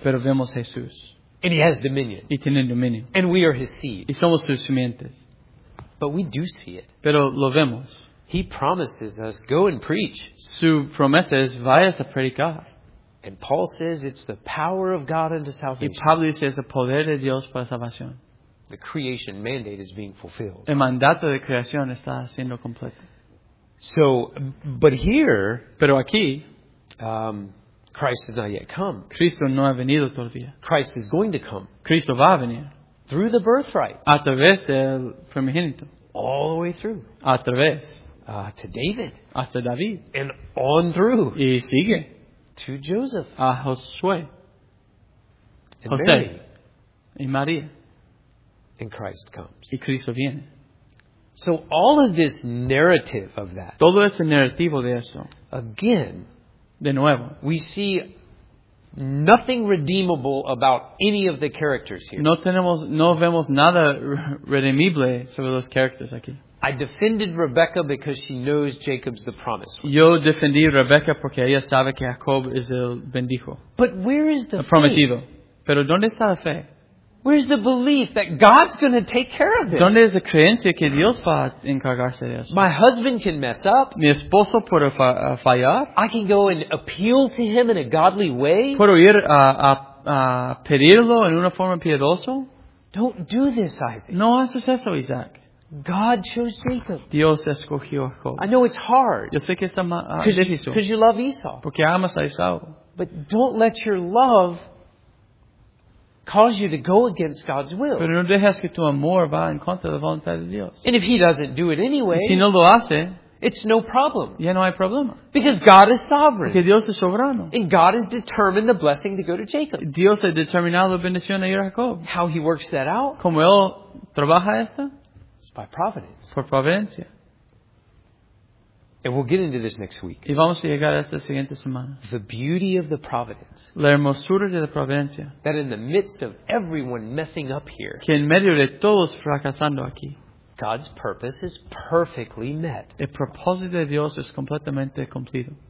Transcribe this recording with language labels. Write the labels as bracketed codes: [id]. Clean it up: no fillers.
[es] Pero vemos Jesús. [en] And he has dominion. [es] Y tiene dominio. [en] And we are his seed. [es] Y somos sus simientes. [en] But we do see it. [es] Pero lo vemos. [en] He promises us, go and preach. [es] Su promesa es, vayas a predicar. [en] And Paul says it's the power of God unto salvation. [es] Y Pablo dice es el poder de Dios para salvación. [en] The creation mandate is being fulfilled. [es] El mandato de creación está siendo completo. [en] So, but here, [es] pero aquí, [en] Christ has not yet come. [es] Cristo no ha venido todavía. [en] Christ is going to come. [es] Cristo va a venir. [en] Through the birthright. [es] A través del primogénito. [en] All the way through. [es] A través. [en] To David. [es] Hasta David. [en] And on through. [es] Y sigue. [en] To Joseph. [es] A Josué. [en] And José. Mary. [es] Y María. [en] And Christ comes. [es] Y Cristo viene. [en] So all of this narrative of that. [es] Todo ese narrativo de eso. [en] Again. [es] De nuevo. [en] We see nothing redeemable about any of the characters here. [es] No vemos nada redimible sobre los characters aquí. [en] I defended Rebecca because she knows Jacob's the promise. [es] Yo defendí Rebecca porque ella sabe que Jacob es el bendijo. [en] But where is the [es] prometido. [en] Faith? [es] Pero ¿dónde está la fe? [en] Where's the belief that God's going to take care of it? [es] ¿Dónde es la creencia que Dios va a encargarse de eso? [en] My husband can mess up. [es] Mi esposo puede fallar. [en] I can go and appeal to him in a godly way. [es] Puedo ir a pedirlo en una forma piedosa. [en] Don't do this, Isaac. [es] No haces eso, Isaac. [en] God chose Jacob. [es] Dios escogió Jacob. [en] I know it's hard. [es] Yo sé que está difícil. [en] Because you love Esau. [es] Porque amas a Esau. [en] But don't let your love cause you to go against God's will. [es] Pero no dejes que tu amor va en contra de la voluntad de Dios. [en] And if he doesn't do it anyway, [es] y si no lo hace, [en] it's no problem. [es] Ya no hay problema. [en] Because God is sovereign. [es] Porque Dios es soberano. [en] And God has determined the blessing to go to Jacob. [es] Dios ha determinado la bendición a Jacob. [en] How he works that out? [es] ¿Cómo él trabaja esto? [en] By providence. [es] Por providencia. [en] And we'll get into this next week. [es] Y vamos a llegar a esta siguiente semana. [en] The beauty of the providence. [es] La hermosura de la providencia. [en] That in the midst of everyone messing up here. [es] Que en medio de todos fracasando aquí. [en] God's purpose is perfectly met. [es] El propósito de Dios es completamente cumplido.